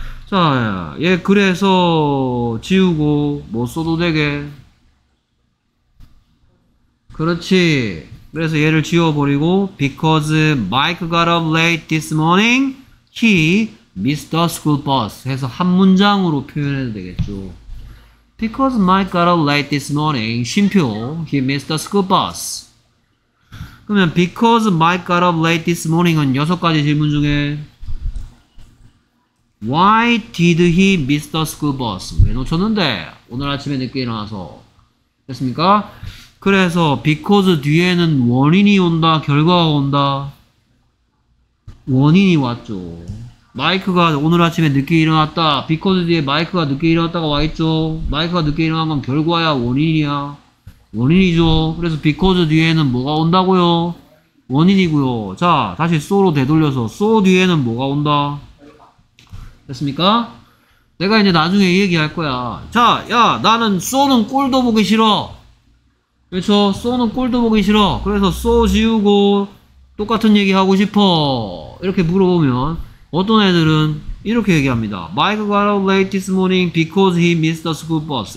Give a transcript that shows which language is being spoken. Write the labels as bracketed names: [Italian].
[Korean] 자, 예, 그래서 지우고 뭐 써도 되게. 그렇지. 그래서 얘를 지워버리고 [English] Because Mike got up late this morning, he missed the school bus. [Korean] 해서 한 문장으로 표현해도 되겠죠. [English] Because Mike got up late this morning, 쉼표, he missed the school bus. 그러면 because Mike got up late this morning은 [Korean] 여섯 가지 질문 중에 [English] Why did he miss the school bus? [Korean] 왜 놓쳤는데? 오늘 아침에 늦게 일어나서. 됐습니까? 그래서 because 뒤에는 원인이 온다, 결과가 온다. 원인이 왔죠. Mike가 오늘 아침에 늦게 일어났다. because 뒤에 Mike가 늦게 일어났다가 와있죠. Mike가 늦게 일어난 건 결과야, 원인이야. 원인이죠. 그래서 because 뒤에는 뭐가 온다고요? 원인이고요. 자, 다시 so로 되돌려서 so 뒤에는 뭐가 온다? 됐습니까? 내가 이제 나중에 얘기할 거야. 자, 야, 나는 so는 꼴도 보기 싫어. 그렇죠? so는 꼴도 보기 싫어. 그래서 so 지우고 똑같은 얘기 하고 싶어. 이렇게 물어보면 어떤 애들은 이렇게 얘기합니다. [English] Mike got up late this morning because he missed the school bus.